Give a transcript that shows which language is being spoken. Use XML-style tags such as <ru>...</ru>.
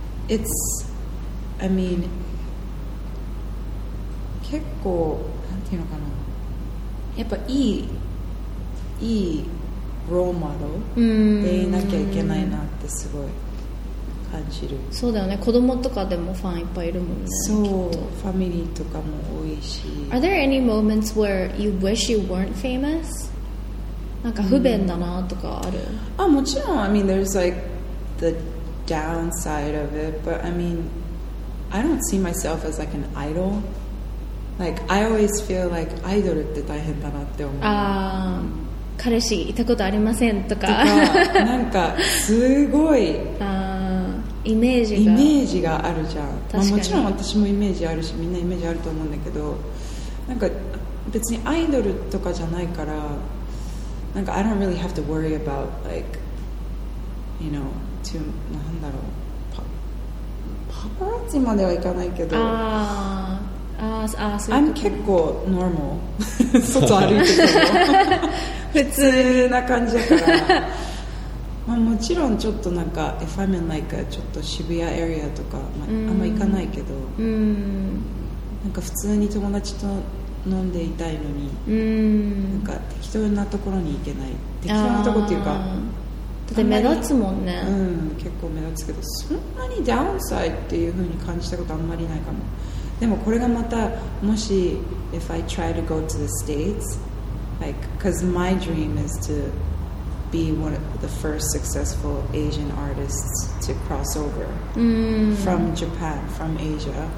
<en>It's, I mean,</en> <ja>結構なんていうのかな、やっぱいいローマルでいなきゃいけないなってすごい感じる。そうだよね。子供とかでもファンいっぱいいるもんね。そう、ファミリーとかも多いし。</ja> <en>Are there any moments where you wish you weren't famous?</en> <ja>なんか不便だなとかある？あ、もちろん。</ja> <en>I mean, there's like the downside of it, but I mean, I don't see myself as like an idol. Like, I always feel like</en> <ja>アイドルって大変だなって思う。あー、彼氏いたことありませんとか、なんかすごいイメージがあるじゃん。確かに、まあ、もちろん私もイメージあるし、みんなイメージあると思うんだけど、なんか別にアイドルとかじゃないから、なんか</ja> <en>I don't really have to worry about like you know to</en> <ja>なんだろう、パパラッチまではいかないけど、あ、 I'm 結構 normal 外歩いてるの普通な感じだから、まあ、もちろんちょっとなんか</ja> <en>If I'm in like</en> <ja>ちょっと渋谷エリアとか、まあ、あんま行かないけど、なんか普通に友達と飲んでいたいのに、なんか適当なところに行けない、適当なとこっていうか、だって目立つもんね。結構目立つけど、そんなにダウンサイっていう風に感じたことあんまりないかも。でもこれがまた、もし</ja> <en>If I try to go to the statesLike, because my dream is to be one of the first successful Asian artists to cross over from Japan, from Asia.</en>